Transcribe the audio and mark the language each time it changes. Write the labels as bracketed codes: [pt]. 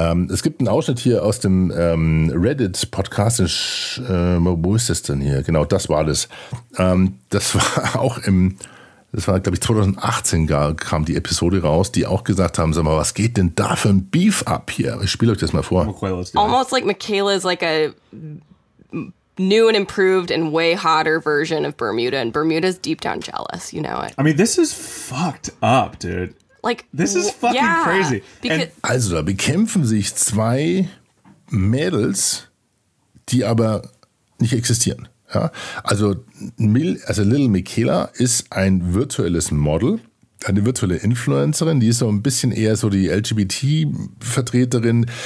[de] Es gibt einen Ausschnitt hier aus dem Reddit-Podcast. Wo ist das denn hier? Genau, das war das. Das war, glaube ich, 2018 kam die Episode raus, die auch gesagt haben, sag mal, was geht denn da für ein Beef ab hier? Ich spiele euch das mal vor. [en] Almost like Michaela is like a new and improved and way hotter version of Bermuda, and Bermuda's deep down jealous, you know it. I mean, this is fucked up, dude. Like, this is fucking crazy. [de] Also, da bekämpfen sich zwei Mädels, die aber nicht existieren. Ja, also Lil Michaela ist ein virtuelles Model, eine virtuelle Influencerin, die ist so ein bisschen eher so die LGBT-Vertreterin.